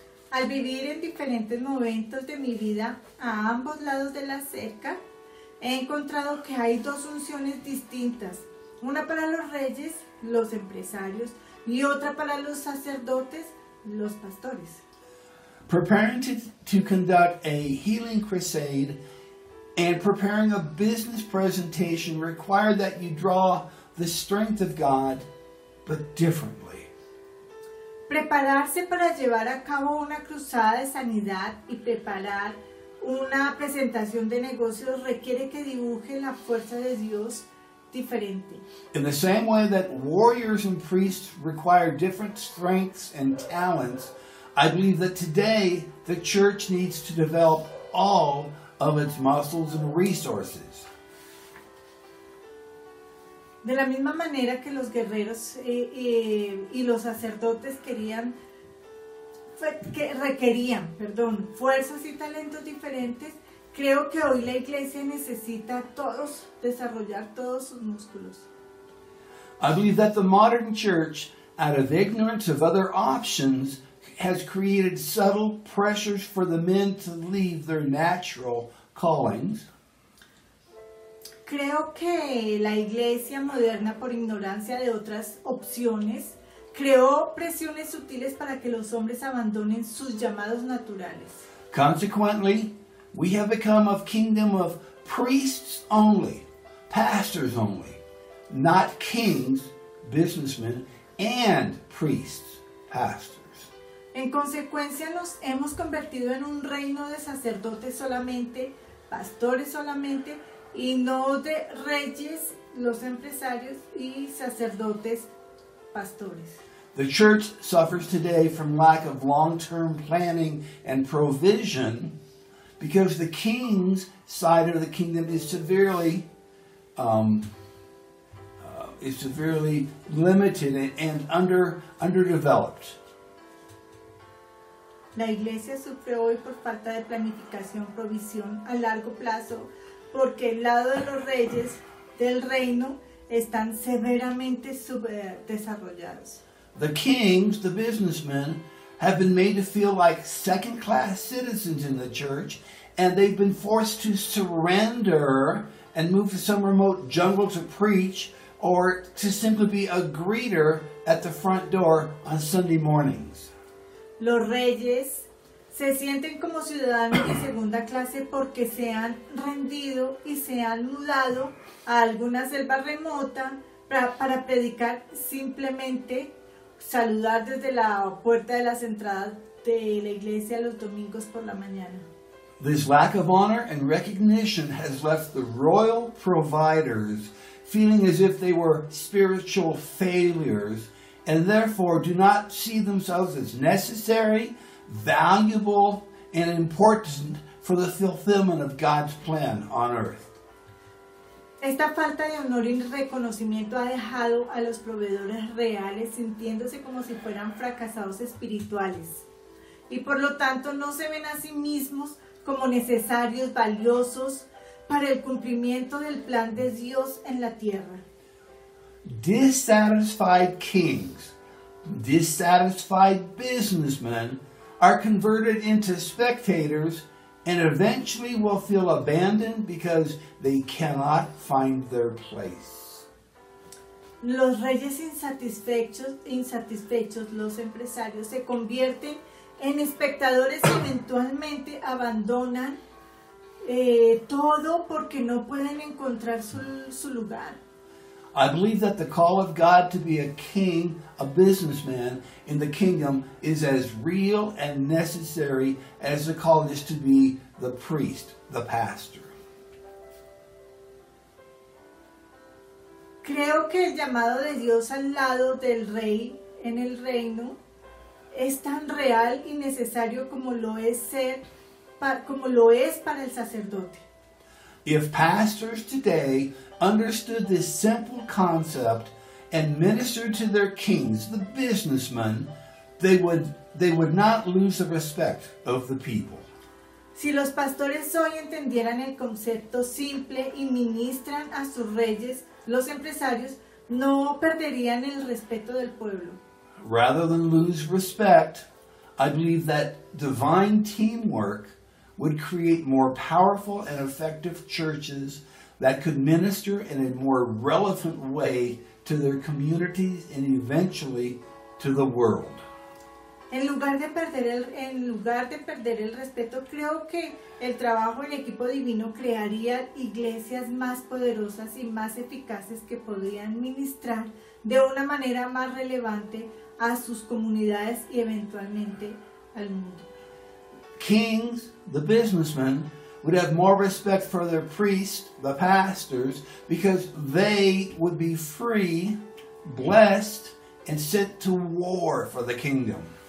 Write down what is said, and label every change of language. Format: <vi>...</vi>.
<es>Al vivir en diferentes momentos de mi vida, a ambos lados de la cerca, he encontrado que hay dos unciones distintas, una para los reyes, los empresarios, y otra para los sacerdotes, los pastores.</es> <en>Preparing to conduct a healing crusade and preparing a business presentation require that you draw the strength of God, but differently.</en> <es>Prepararse para llevar a cabo una cruzada de sanidad y preparar una presentación de negocios requiere que dibuje la fuerza de Dios diferente.</es> <en>In the same way that warriors and priests require different strengths and talents, I believe that today the church needs to develop all of its muscles and resources.</en> <es>De la misma manera que los guerreros y los sacerdotes requerían fuerzas y talentos diferentes, creo que hoy la iglesia necesita todos desarrollar todos sus músculos.</es> <en>I believe that the modern church, out of ignorance of other options, has created subtle pressures for the men to leave their natural callings.</en> <es>Creo que la iglesia moderna, por ignorancia de otras opciones, creó presiones sutiles para que los hombres abandonen sus llamados naturales.</es> <en>Consequently, we have become a kingdom of priests only, pastors only, not kings, businessmen and priests, pastors.</en> <es>En consecuencia, nos hemos convertido en un reino de sacerdotes solamente, pastores solamente, y no de reyes, los empresarios, y sacerdotes, pastores.</es> <en>The church suffers today from lack of long-term planning and provision because the king's side of the kingdom is severely limited and underdeveloped.</en> <es>La iglesia sufre hoy por falta de planificación, provisión a largo plazo, porque el lado de los reyes del reino están severamente subdesarrollados.</es> <en>The kings, the businessmen, have been made to feel like second-class citizens in the church, and they've been forced to surrender and move to some remote jungle to preach or to simply be a greeter at the front door on Sunday mornings.</en> <es>Los reyes se sienten como ciudadanos de segunda clase porque se han rendido y se han mudado a alguna selva remota para predicar simplemente, saludar desde la puerta de las entradas de la iglesia los domingos por la mañana.</es> <en>This lack of honor and recognition has left the royal providers feeling as if they were spiritual failures and therefore do not see themselves as necessary, valuable, and important for the fulfillment of God's plan on earth.</en> <es>Esta falta de honor y reconocimiento ha dejado a los proveedores reales sintiéndose como si fueran fracasados espirituales y por lo tanto no se ven a sí mismos como necesarios, valiosos para el cumplimiento del plan de Dios en la tierra.</es> <en>Dissatisfied kings, dissatisfied businessmen are converted into spectators and eventually will feel abandoned because they cannot find their place.</en> <es>Los reyes insatisfechos, los empresarios, se convierten en espectadores y eventualmente abandonan todo porque no pueden encontrar su lugar.</es> <en>I believe that the call of God to be a king, a businessman in the kingdom is as real and necessary as the call is to be the priest, the pastor.</en> <es>Creo que el llamado de Dios al lado del rey en el reino es tan real y necesario como lo es para el sacerdote.</es> <en>If pastors today understood this simple concept and ministered to their kings, the businessmen, they would not lose the respect of the people.</en> <es>Si los pastores hoy entendieran el concepto simple y ministran a sus reyes, los empresarios, no perderían el respeto del pueblo.</es> <en>Rather than lose respect, I believe that divine teamwork would create more powerful and effective churches that could minister in a more relevant way to their communities and eventually to the world.</en> <es>En lugar de perder el respeto, creo que el trabajo del equipo divino crearía iglesias más poderosas y más eficaces que podrían ministrar de una manera más relevante a sus comunidades y eventualmente al mundo.</es> <en>Kings, the businessmen, would have more respect for their priests, the pastors, because they would be free, blessed, and set to war for the kingdom.</en>